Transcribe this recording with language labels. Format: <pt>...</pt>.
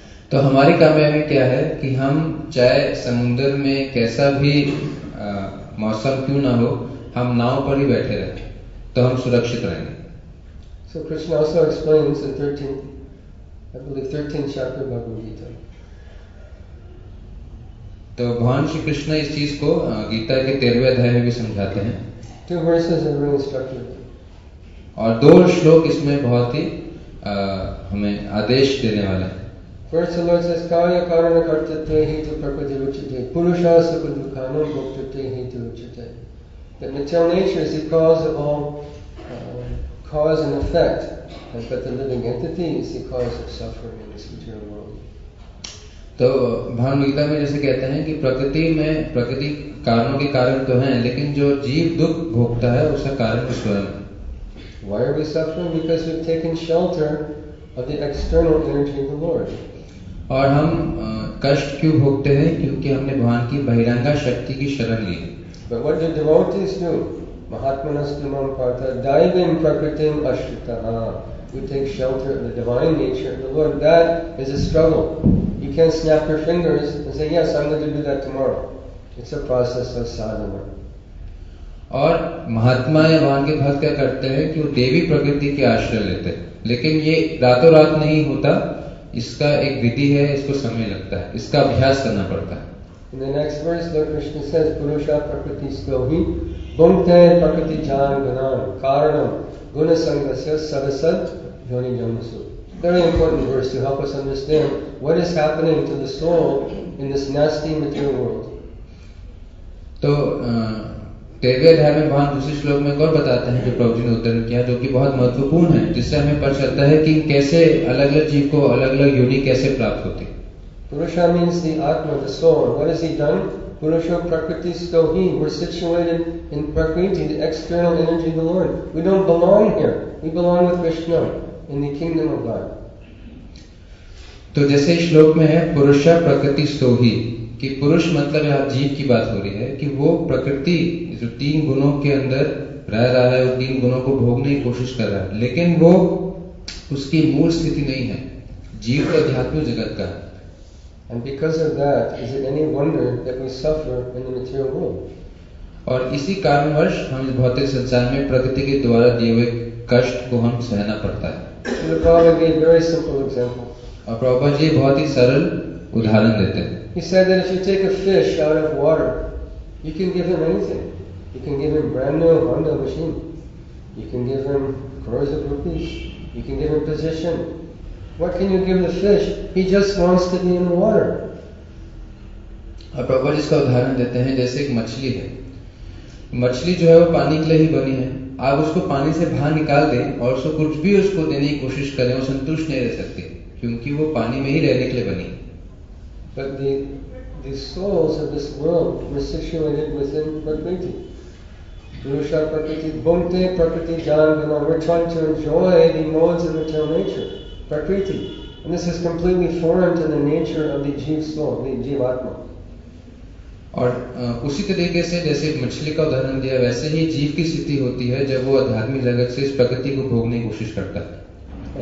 <hi>तो हमारी कामयाबी क्या है कि हम चाहे समुद्र में कैसा भी मौसम क्यों ना हो, हम नाव पर ही बैठे रहें तो हम सुरक्षित रहेंगे.</hi> <en>So Krishna also explains in 13th chapter of Bhagavad Gita.</en> <hi>तो भगवान श्री कृष्ण इस चीज को गीता के 13वें अध्याय में भी समझाते हैं.</hi> <en>Two verses are really instructive.</en> <hi>और दो श्लोक इसमें बहुत ही हमें आदेश देने वाले हैं.</hi> <en>First the Lord says,</en> <sa>Kaya karana kartate hetu prakriti ruchate, purusha sukha dukhano bhoktate hetu ruchate.</sa> <en>That material nature is the cause of all cause and effect, but the living entity is the cause of suffering in this material world.</en> <hi>तो भगवद् गीता में जैसे कहते हैं कि प्रकृति में प्रकृति कारणों के कारण तो हैं, लेकिन जो जीव दुख भोगता है उसका कारण स्वयं.</hi> <en>Why are we suffering? Because we've taken shelter of the external energy of the Lord.</en> <hi>और हम कष्ट क्यों भोगते हैं? क्योंकि हमने भगवान की बहिरंगा शक्ति की शरण ली.</hi> <en>But what did devotees do?</en> <sa>Mahatmanas tumam partha daivim prakritim ashritah.</sa> <en>We take shelter of the divine nature of the Lord. That is a struggle. You can't snap your fingers and say, yes, I'm going to do that tomorrow. It's a process of sadhana.</en> <hi>और महात्मा या भगवान के भक्त क्या करते हैं कि वो देवी प्रकृति के आश्रय लेते हैं, लेकिन ये रातों रात नहीं होता. इसका एक विधि है, इसको समय लगता है, इसका अभ्यास करना पड़ता है.</hi> <en>In the next verse, Lord Krishna says,</en> <sa>Purusha prakriti stohi bhunkte prakriti jan ganan karanam guna sangasya sarasat yoni jamasu.</sa> <en>Very important verse to help us understand what is happening to the soul in this nasty material world.</en> <hi>तो तेरे अध्याय में भगवान दूसरे श्लोक में और बताते हैं जो प्रभु जी ने उत्तरण किया, जो कि बहुत महत्वपूर्ण है, जिससे हमें पता चलता है कि कैसे अलग अलग जीव को अलग अलग योनि कैसे प्राप्त होती.</hi> <en>Purusha means the atma, the soul. What has he done?</en> <sa>Purusha prakriti stohi.</sa> <en>We're situated in prakriti, the external energy of the Lord. We don't belong here. We belong with Krishna in the kingdom of God.</en> <hi>तो जैसे श्लोक में है</hi> <sa>पुरुषा प्रकृति स्तोही,</sa> <hi>कि पुरुष मतलब यहाँ जीव की बात हो रही है, कि वो प्रकृति जो तीन गुणों के अंदर रह रहा है, वो तीन गुणों को भोगने की कोशिश कर रहा है, लेकिन वो उसकी मूल स्थिति नहीं है जीव का अध्यात्मिक जगत का.</hi> <en>And because of that, is it any wonder that we suffer in the material world?</en> <hi>और इसी कारणवश हम भौतिक संसार में प्रकृति के द्वारा दिए हुए कष्ट को हम सहना पड़ता है.</hi> <en>The Prabhupada gave a very simple example.</en> <hi>और प्रभुपाद जी बहुत ही सरल उदाहरण देते हैं.</hi> <en>He said that if you take a fish out of water, you can give him anything. You can give him brand new Honda machine. You can give him crores of rupees. You can give him position. What can you give the fish? He just wants to be in the water.</en> <hi>और प्रभुपाद जी इसका उदाहरण देते हैं जैसे एक मछली है. मछली जो है वो पानी के लिए ही बनी है. आप उसको पानी से बाहर निकाल दें और उसको कुछ भी उसको देने की कोशिश करें वो संतुष्ट नहीं रह सकते क्योंकि वो पानी में ही रहने के लिए बनी.</hi> <en>But the souls of this world were situated within prakriti.</en> <sa>Purusha prakriti, bhunte prakriti jan vina,</sa> <en>we're trying to enjoy the modes of material nature, prakriti. And this is completely foreign to the nature of the jiva soul, the jivatma.</en> <hi>और उसी तरीके से जैसे मछली का उदाहरण दिया वैसे ही जीव की स्थिति होती है जब वो आध्यात्मिक जगत से इस प्रकृति को भोगने की कोशिश करता है.</hi>